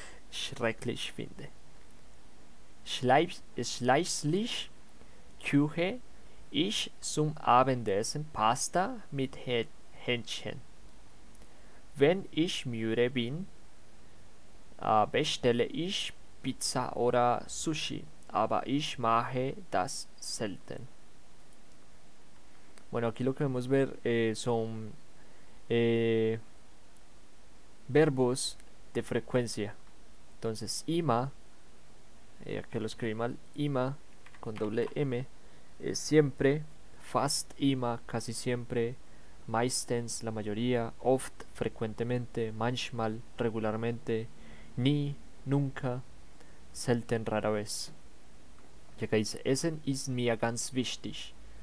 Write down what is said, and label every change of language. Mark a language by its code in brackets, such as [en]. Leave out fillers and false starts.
[de] Schrecklich finde. Schließlich küche ich zum Abendessen Pasta mit Hähnchen. Wenn ich müde bin, bestelle ich Pizza oder Sushi, aber ich mache das selten. [es] Bueno, aquí lo que podemos ver son verbos de frecuencia. Entonces, immer, aquí lo escribí mal, immer, con doble M, siempre, fast immer, casi siempre, meistens, la mayoría, oft, frecuentemente, manchmal, regularmente, ni, nunca, selten, rara vez. Y acá dice, [de] Essen ist mir ganz wichtig.